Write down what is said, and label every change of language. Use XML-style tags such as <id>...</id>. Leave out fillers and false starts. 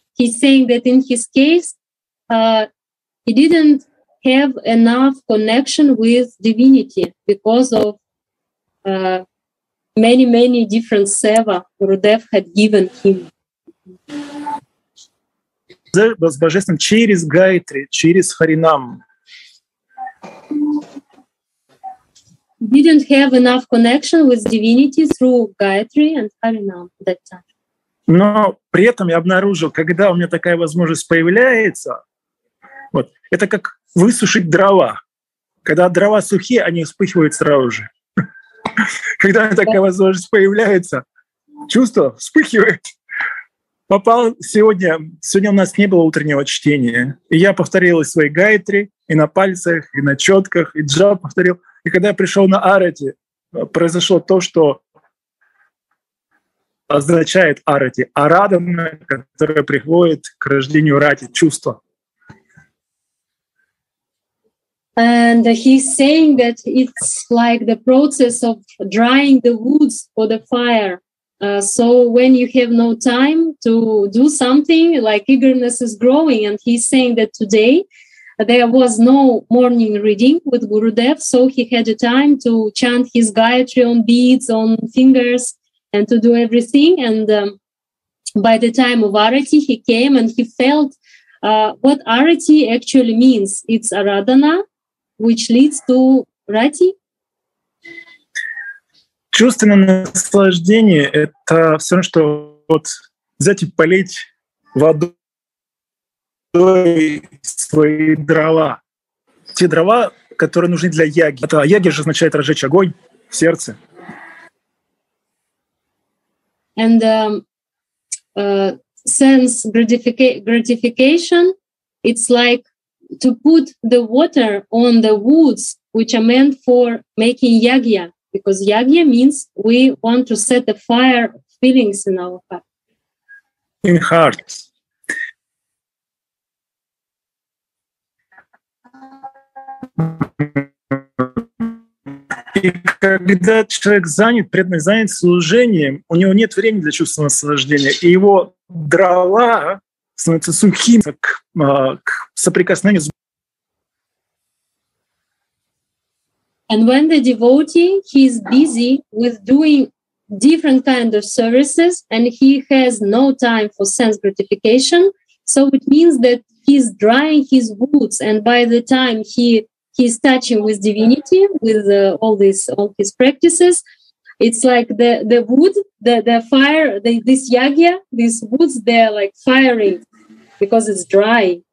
<en>He's saying that in his case, he didn't have enough connection with divinity because of many, many different seva Gurudev had given him.</en> <ru>С Божественным через Гайтри, через Харинам.</ru> <en>Didn't have enough connection with divinity through Gayatri and Harinam at that time.</en> <ru>Но при этом я обнаружил, когда у меня такая возможность появляется, вот это как высушить дрова. Когда дрова сухие, они вспыхивают сразу же. Когда такая возможность появляется, чувство вспыхивает. Попал сегодня. Сегодня у нас не было утреннего чтения, и я повторил свои Гайтри и на пальцах, и на четках, и джап повторил. И когда я пришел на арати, произошло то, что означает арати, арадана, которая приходит к рождению рати, чувство.</ru> <en>And he's saying that it's like the process of drying the woods for the fire. So when you have no time to do something, like eagerness is growing, and he's saying that today there was no morning reading with Gurudev, so he had a time to chant his Gayatri on beads, on fingers, and to do everything. And by the time of Arati, he came and he felt what Arati actually means. It's Aradhana, which leads to Rati.</en> <ru>Чувственное наслаждение — это все равно, что вот взять и полить воду. Свои дрова. Те дрова, которые нужны для яги. Это яги же означает разжечь огонь в сердце.</ru> <en>And sense gratification, it's like to put the water on the woods, which are meant for making yagya, because yagya means we want to set the fire feelings in our heart. In heart. Yes,</en> <ru>И когда человек занят, преданный занят служением, у него нет времени для чувства наслаждения, и его драла становится сухим к соприкосновению с Богом.</ru> <en>And when the devotee, he is busy with doing different kind of services and he has no time for sense gratification, so it means that he's drying his roots, and by the time he's touching with divinity, with all his practices, it's like the wood, the fire, this yagya, these woods, they're like firing because it's dry.</en>